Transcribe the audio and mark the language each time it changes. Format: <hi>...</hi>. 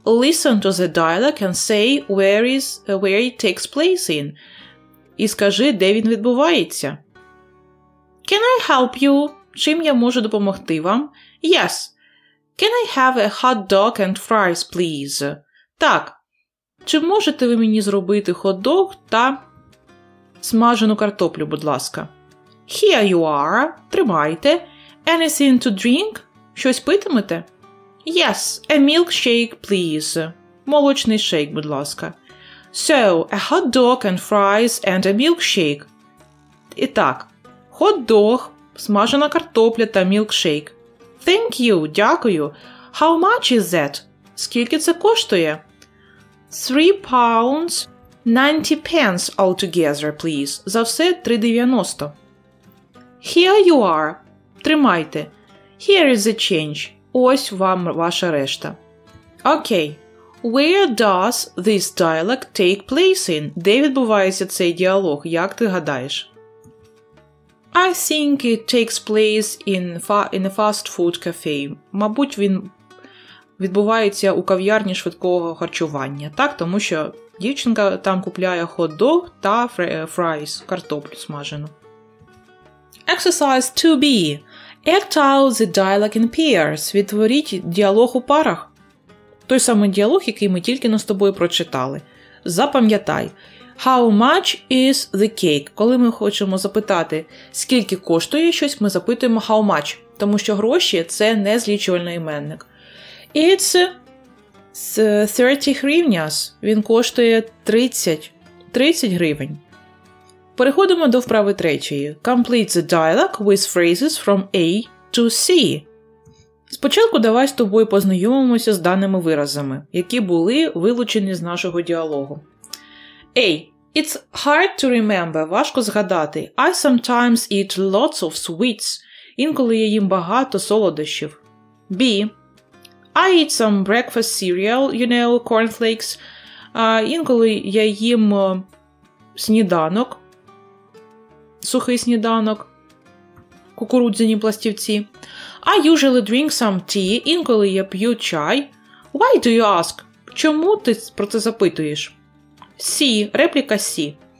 <en>Listen to the dialogue and say where it takes place in.</en> <uk>І скажи, де він відбувається.</uk> <en>Can I help you?</en> <uk>Чим я можу допомогти вам?</uk> <en>Yes. Can I have a hot dog and fries, please?</en> <uk>Так. Чи можете ви мені зробити хот-дог та смажену картоплю, будь ласка?</uk> <en>Here you are.</en> <uk>Тримайте.</uk> <en>Anything to drink?</en> <uk>Щось питимете?</uk> <en>Yes, a milkshake, please.</en> <uk>Молочний шейк, будь ласка.</uk> <en>So, a hot dog and fries and a milkshake.</en> <uk>І так, хот-дог, смажена картопля та мілкшейк.</uk> <en>Thank you,</en> <uk>дякую.</uk> <en>How much is that?</en> <uk>Скільки це коштує?</uk> <en>3 pounds 90 pence altogether, please.</en> <uk>За все 3,90.</uk> <en>Here you are.</en> <uk>Тримайте.</uk> <en>Here is the change.</en> <uk>Ось вам ваша решта. Окей.</uk> <en>Where does this dialogue take place in?</en> <uk>Де відбувається цей діалог? Як ти гадаєш?</uk> <en>I think it takes place in a fast food cafe.</en> <uk>Мабуть, він відбувається у кав'ярні швидкого харчування. Так, тому що дівчинка там купляє хот-дог та фрайс, картоплю смажену.</uk> <en>Exercise 2B. Act out the dialogue in pairs.</en> <uk>Відтворіть діалог у парах. Той самий діалог, який ми тільки з тобою прочитали. Запам'ятай.</uk> <en>How much is the cake?</en> <uk>Коли ми хочемо запитати, скільки коштує щось, ми запитуємо</uk> <en>how much.</en> <uk>Тому що гроші – це не злічувальний іменник.</uk> <en>It's 30 гривняс.</en> <uk>Він коштує 30 гривень. Переходимо до вправи третьої.</uk> <en>Complete the dialogue with phrases from A to C.</en> <uk>Спочатку давай з тобою познайомимося з даними виразами, які були вилучені з нашого діалогу.</uk> <en>A. It's hard to remember.</en> <uk>Важко згадати.</uk> <en>I sometimes eat lots of sweets.</en> <uk>Інколи я їм багато солодощів.</uk> <en>B. I eat some breakfast cereal, you know, cornflakes.</en> <uk>Інколи я їм сніданок. Сухий сніданок, кукурудзяні пластівці.</uk> <en>I usually drink some tea.</en> <uk>Інколи я п'ю чай.</uk> <en>Why do you ask?</en> <uk>Чому ти про це запитуєш? C. Репліка C.</uk>